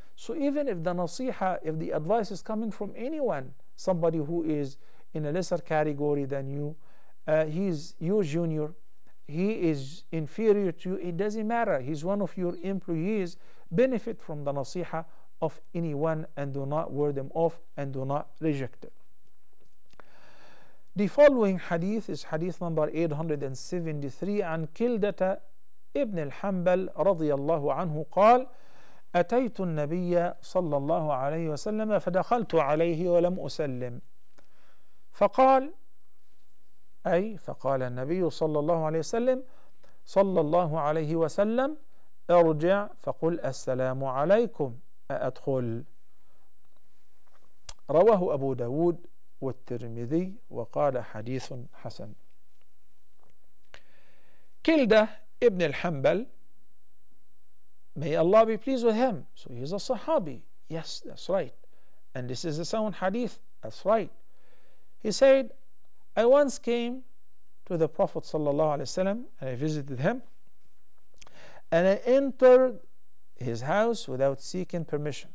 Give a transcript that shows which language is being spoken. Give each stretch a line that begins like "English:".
English: So even if the nasiha, if the advice is coming from anyone, somebody who is in a lesser category than you, he's your junior, he is inferior to you, it doesn't matter. He's one of your employees. Benefit from the nasiha of anyone and do not word them off and do not reject it. The following hadith is hadith number 873
Arabic: عن كلدة ابن الحنبل رضي الله عنه قال أتيت النبي صلى الله عليه وسلم فدخلت عليه ولم أسلم فقال أي فقال النبي صلى الله عليه وسلم صلى الله عليه وسلم أرجع فقل السلام عليكم أأدخل رواه أبو داود والترمذي وقال حديث حسن.
English: كلدة ابن الحنبل, may Allah be pleased with him, so he's a Sahabi. Yes, that's right. And this is a sound hadith. That's right. He said, I once came to the Prophet sallallahu alaihi wasallam and I visited him, and I entered his house without seeking permission.